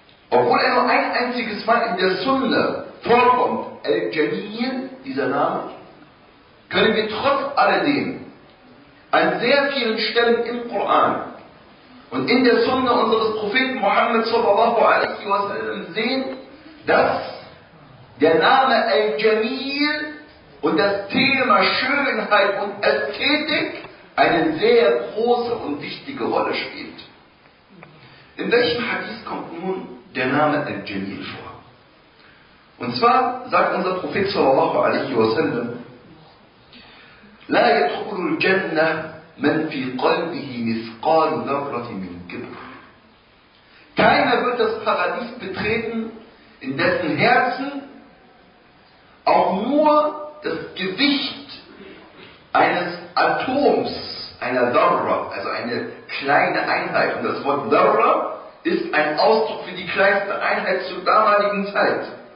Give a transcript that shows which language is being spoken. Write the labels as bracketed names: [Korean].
[German] Obwohl er nur ein einziges Mal in der Sunna vorkommt, Al-Jamil, dieser Name, können wir trotz alledem an sehr vielen Stellen im Koran und in der Sunna unseres Propheten Muhammad sallallahu alaihi wa sallam sehen, dass der Name Al-Jamil und das Thema Schönheit und Ästhetik eine sehr große und wichtige Rolle spielt. In welchem Hadith kommt nun der Name Al-Jamil vor? Und zwar sagt unser Prophet sallallahu alaihi wa sallam: [Arabic] لا يدخل الجنة من في قلبه مثقال ذرة من كبر. [German] Keiner wird das Paradies betreten, in dessen Herzen auch nur das Gewicht eines Atoms, einer Dharra, also eine kleine Einheit. Und das Wort Dharra ist ein Ausdruck für die kleinste Einheit zur damaligen Zeit.